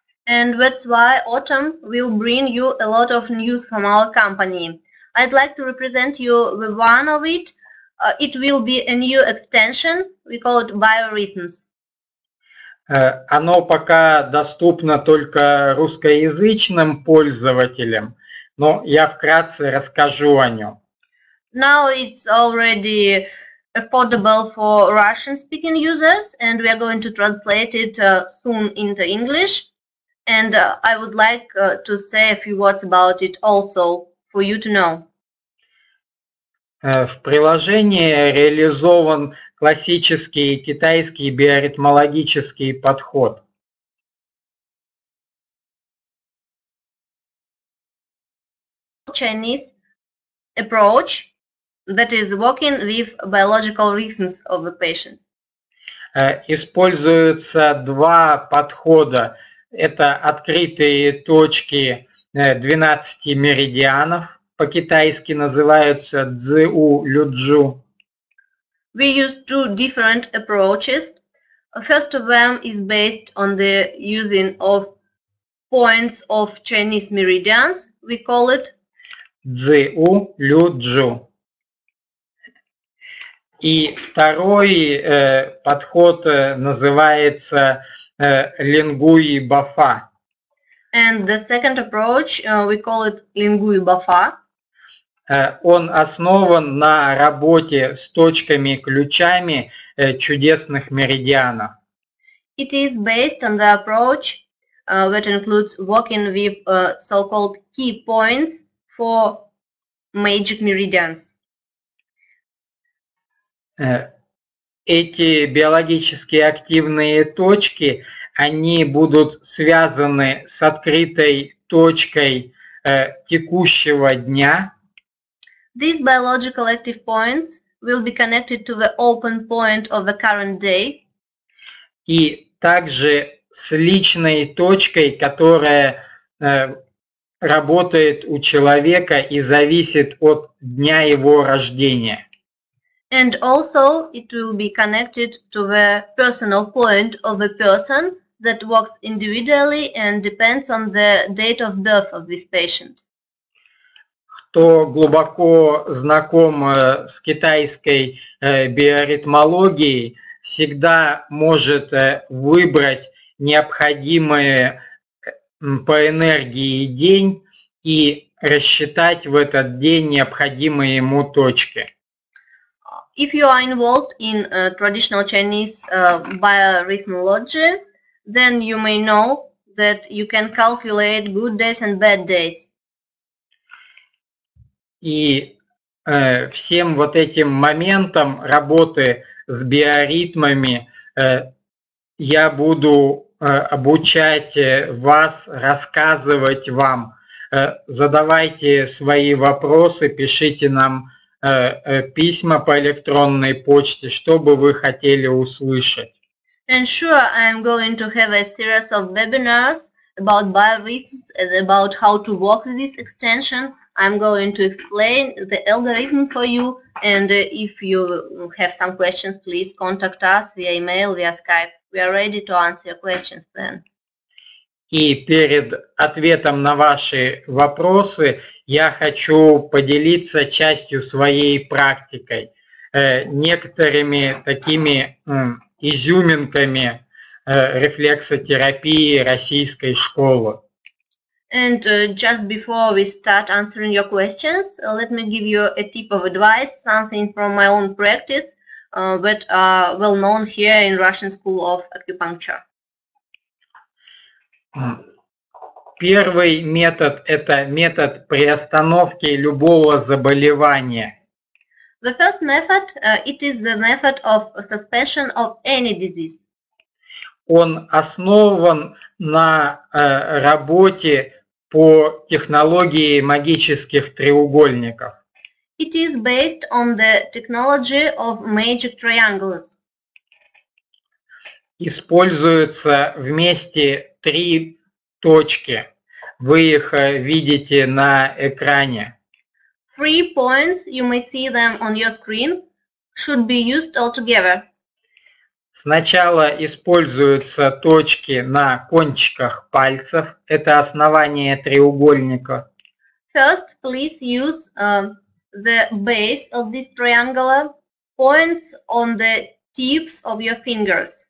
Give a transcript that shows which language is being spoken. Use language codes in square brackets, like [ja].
[en] And that's why autumn will bring you a lot of news from our company. I'd like to represent you with one of it. It will be a new extension. We call it BioRhythms. [ru] Оно пока доступно только русскоязычным пользователям, но я вкратце расскажу о нем. [en] Now it's already affordable for Russian-speaking users, and we are going to translate it soon into English. And I would like to say a few words about it also for you to know. [ru] В приложении реализован классический китайский биоритмологический подход. [en] Chinese approach that is working with biological rhythms of the patients. [ru] Используются два подхода. Это открытые точки 12 меридианов, по-китайски называются цзыу люцзю. [en] We use two different approaches. First of them is based on the using of points of Chinese meridians. We call it [zh] цзыу люцзю. [ru] И второй подход называется Лингуи Бафа. [en] And the second approach, we call it Лингуи Бафа. [ru] Он основан на работе с точками ключами чудесных меридианов. [en] It is based on the approach that includes working with so-called key points for magic meridians. [ru] Эти биологически активные точки, они будут связаны с открытой точкой текущего дня. [en] These biological active points will be connected to the open point of the current day. [ru] И также с личной точкой, которая работает у человека и зависит от дня его рождения. [en] And also it will be connected to the personal point of a person that works individually and depends on the date of birth of this patient. [ru] Кто глубоко знаком с китайской биоритмологией, всегда может выбрать необходимые по энергии день и рассчитать в этот день необходимые ему точки. [en] If you are involved in traditional Chinese biorhythmology, then you may know that you can calculate good days and bad days. [ru] И всем вот этим моментам работы с биоритмами я буду обучать вас, рассказывать вам. Задавайте свои вопросы, пишите нам письма по электронной почте, что бы вы хотели услышать. [en] And sure, I'm going to have a series of webinars about biorhythms and about how to work with this extension. I'm going to explain the algorithm for you, and if you have some questions, please contact us via email, via Skype. We are ready to answer your questions then. [ru] И перед ответом на ваши вопросы я хочу поделиться частью своей практикой, некоторыми такими изюминками рефлексотерапии российской школы. [en] And just before we start answering your questions, let me give you a tip of advice, something from my own practice, that are well known here in Russian School of Acupuncture. [ru] Первый метод – это метод приостановки любого заболевания. [en] The first method – it is the method of suspension of any disease. [ru] Он основан на работе по технологии магических треугольников. [en] It is based on the technology of magic triangles. [ru] Используется вместе три точки. Вы их видите на экране. [en] Three points, you may see them on your screen, should be used all together. [ru] Сначала используются точки на кончиках пальцев. Это основание треугольника. [en] First, please use the base of this triangular points on the tips of your fingers.